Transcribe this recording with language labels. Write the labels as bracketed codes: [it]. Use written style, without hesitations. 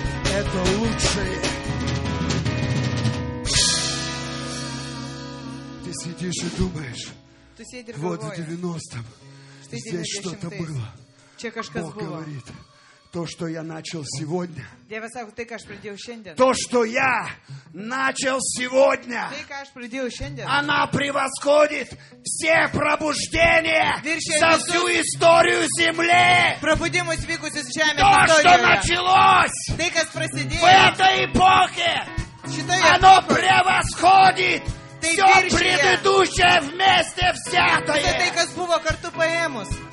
[ru] Это лучшее. Ты сидишь и думаешь, вот в 90-м здесь что-то было. Бог говорит, То, что я начал сегодня. [lt] Dievas sako, tai, ką aš pradėjau šiandien. [ru] То, что я начал сегодня. [lt] Tai, ką aš pradėjau šiandien. [ru] Она превосходит все пробуждения за всю историю земли. Пробудимость [lt] вykusi žemės istorijoje. [ru] То, что началось. [lt] Tai, kas prasidėjo. [ru] В этой эпохе. [lt] Šitoje. [ru] Оно превосходит все предыдущее вместе взятое. [lt] Visa tai, kas buvo kartu paėmus.